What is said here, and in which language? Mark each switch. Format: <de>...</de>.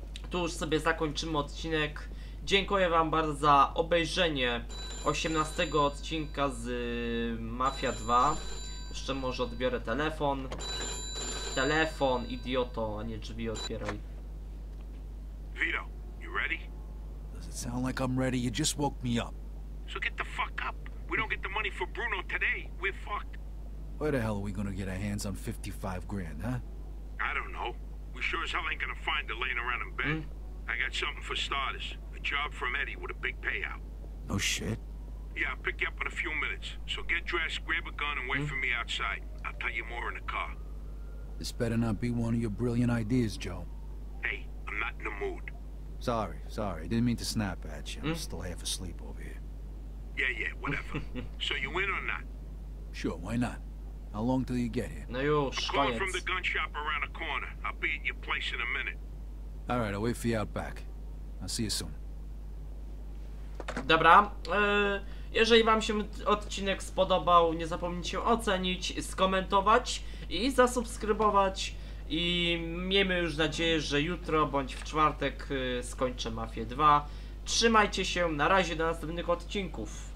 <pl>Tu już sobie zakończymy odcinek. Dziękuję wam bardzo za obejrzenie 18 odcinka z Mafia 2. Jeszcze może odbiorę telefon. Telefon, idioto, a nie drzwi otwieraj.</pl> <en>Vito, you ready? Does it sound like I'm ready? You just woke me up. So get the fuck up. We don't get the money for Bruno today. We're fucked. Where the hell are we gonna get our hands on 55 grand, huh? I don't know. We sure as hell ain't gonna find it laying around in bed. I got something for starters. A job from Eddie with a big payout. No shit. Yeah, I'll pick you up in a few minutes. So get dressed, grab a gun, and wait for me outside. I'll tell you more in the car. This better not be one of your brilliant ideas, Joe. Hey, I'm not in the mood. Sorry, sorry. Didn't mean to snap at you. I'm still half asleep over here. Yeah, yeah, whatever. So you in or not? Sure, why not? How long till you get here? No, yo, I'm calling from the gun shop around the corner. I'll be at your place in a minute. All right, I'll wait for you out back. I'll see you soon.</en> <pl>Dobra. Jeżeli wam się odcinek spodobał, nie zapomnijcie ocenić, skomentować i zasubskrybować. I miejmy już nadzieję, że jutro bądź w czwartek skończę Mafię 2. Trzymajcie się, na razie, do następnych odcinków.</pl>